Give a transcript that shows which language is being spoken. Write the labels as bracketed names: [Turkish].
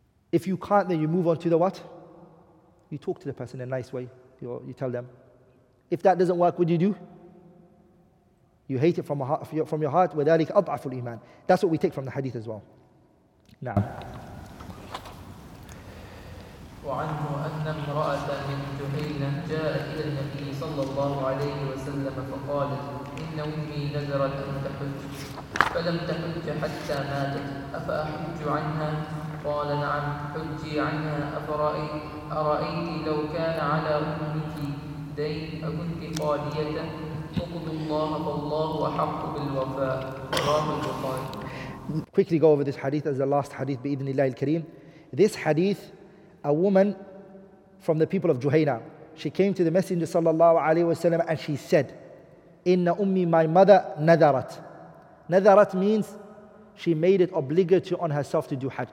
[English] If you can't, then you move on to the what? You talk to the person in a nice way. You tell them. If that doesn't work, what do? You hate it from your heart. [Arabic] وَذَلِكَ أَضْعَفُ الْإِيمَانِ. [English] That's what we take from the hadith as well. Now. [Arabic] وعنه أن امرأة من جهينة جاءت إلى النبي صلى الله عليه وسلم فقالت إن أمي نذرت أن تحج فلم تحج حتى ماتت أفأحج عنها؟ قال نعم حجي عنها. أرأيت لو كان على أمك دين أكنت خالية؟ اقض الله فالله أحق بالوفاء. رواه البخاري. [English] Quickly go over this hadith as the last hadith [Arabic] بإذن الله الكريم. [English] This hadith, a woman from the people of Juhayna, she came to the Messenger sallallahu alayhi wa sallam and she said, [Arabic] "Inna ummi, [English] my mother nadarat." Nadarat means she made it obligatory on herself to do hajj.